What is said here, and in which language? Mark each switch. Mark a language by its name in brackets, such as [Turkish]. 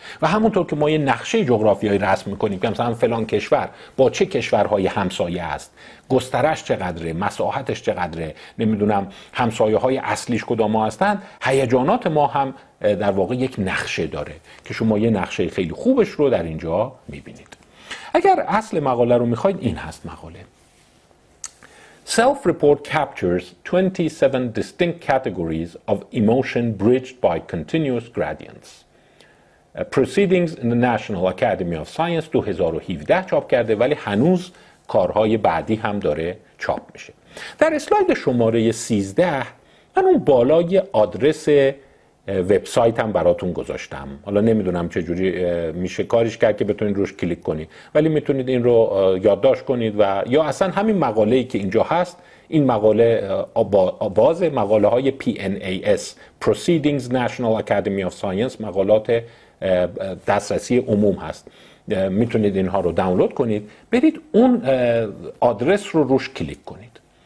[Persian] و همونطور که ما یه نقشه جغرافیایی رسم میکنیم که مثلا فلان کشور با چه کشورهای همسایه است، گسترش چقدره، مساحتش چقدره، نمیدونم همسایه های اصلیش کدام ها هستند، هیجانات ما هم در واقع یک نقشه داره که شما یه نقشه خیلی خوبش رو در اینجا میبینید. اگر اصل مقاله رو میخواید، این هست مقاله: [English] Self-report captures 27 distinct categories of emotion bridged by continuous gradients. [Persian] Proceedings in the National Academy of Science 2017 چاپ کرده، ولی هنوز کارهای بعدی هم داره چاپ میشه. در اسلاید شماره 13 من اون بالای آدرس وبسایت هم براتون گذاشتم، حالا نمیدونم چه جوری میشه کارش کرد که بتونید روش کلیک کنید، ولی میتونید این رو یادداشت کنید و یا اصلا همین مقاله ای که اینجا هست، این مقاله باز مقاله های PNAS Proceedings National Academy of Science، مقالات دسترسی عموم هست، میتونید اینها رو دانلود کنید، برید اون آدرس رو روش کلیک کنید.